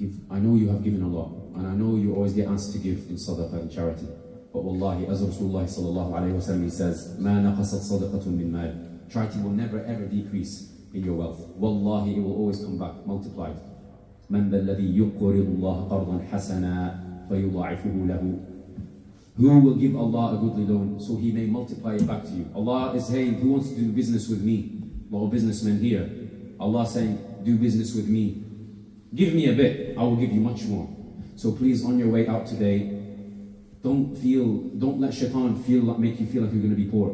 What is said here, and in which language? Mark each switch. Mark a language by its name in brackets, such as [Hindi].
[English] I know you have given a lot, and I know you always get asked to give in sadaqah and charity. But wallahi, as Rasulullah sallallahu alayhi wa sallam, he says, [Arabic] مَا نَقَصَتْ صَدَقَةٌ مِنْ مَالٍ [English] Charity will never ever decrease in your wealth. Wallahi, it will always come back, multiplied. [Arabic] من ذا الذي يقرض الله قرضا حسنا فيضاعفه له. [English] Who will give Allah a goodly loan so he may multiply it back to you? Allah is saying, who wants to do business with me? Little businessman here. Allah saying, do business with me. Give me a bit, I will give you much more. So please, on your way out today, don't let shaitan make you feel like you're going to be poor.